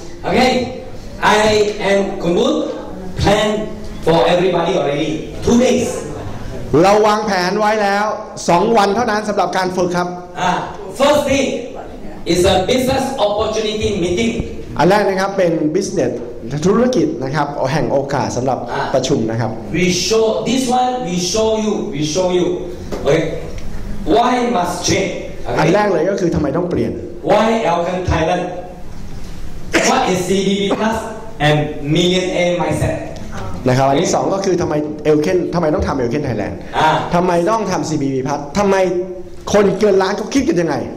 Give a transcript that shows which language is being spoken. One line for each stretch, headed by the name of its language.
English: Okay. I am Kun Boon, plan for everybody already, 2 days.
Thai: เราวางแผนไว้แล้ว2วันเท่านั้นสำหรับการฝึกครับ
English: First thing is a business opportunity meeting
Thai: อันแรกนะครับเป็น business ธุรกิจนะครับแห่งโอกาสสำหรับประชุมนะครับ
English: We show this one we show you okay why must change
Thai: okay? อันแรกเลยก็คือทำไมต้องเปลี่ยน
English: Why Elkin Thailand What is CDB plus and millionaire mindset
Thai: นะครับอันที่2ก็คือทำไมเอลเคนทำไมต้องทำเอลเคนไทยแลนด์ ทำไมต้องทำ CBB พัฒน์ทำไมคนเกินล้านเขาคิดกันยังไง